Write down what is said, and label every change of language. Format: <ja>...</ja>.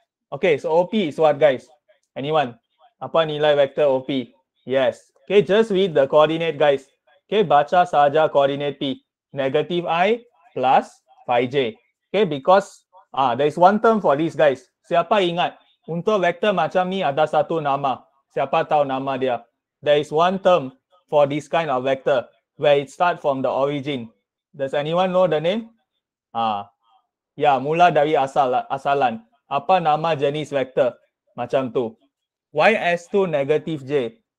<en>Okay, so OP is what, guys? Anyone?</en> <ms>Apa nilai vector OP?</ms> <en>Yes. Okay, just read the coordinate, guys. Okay,</en> <ms>baca saja</ms> <en>coordinate P. Negative I plus 5J. Okay, because there is one term for this, guys.</en> <ms>Siapa ingat? Untuk vector macam ni ada satu nama. Siapa tahu nama dia?</ms> <en>There is one term for this kind of vector where it starts from the origin. Does anyone know the name?</en> <ms>Mula dari asalan. Apa nama jenis vector? Macam tu.</ms> <en>Why S2 negative J?</en>